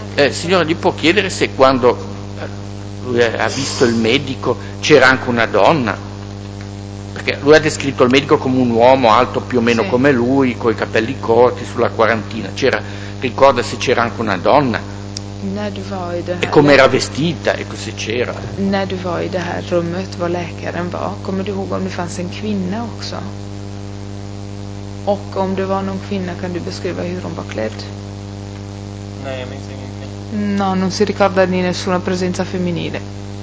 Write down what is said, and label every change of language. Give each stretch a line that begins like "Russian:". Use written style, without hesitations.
Italian: Signora, gli può chiedere se quando lui ha visto il medico c'era anche una donna? Perché lui ha descritto il medico come un uomo alto più o meno, sì, come lui, con i capelli corti, sulla quarantina. Ricorda se c'era anche una donna? Ned Void. E come era vestita e cosa c'era?
Swedish: Ned Void här rummet var läkaren var. Kommer du ihåg om det fanns en kvinna också? Och om det var någon kvinna, kan du beskriva hur hon var klädd? Nej, jag minns ingenting.
Italian: No, non si ricorda di nessuna presenza femminile.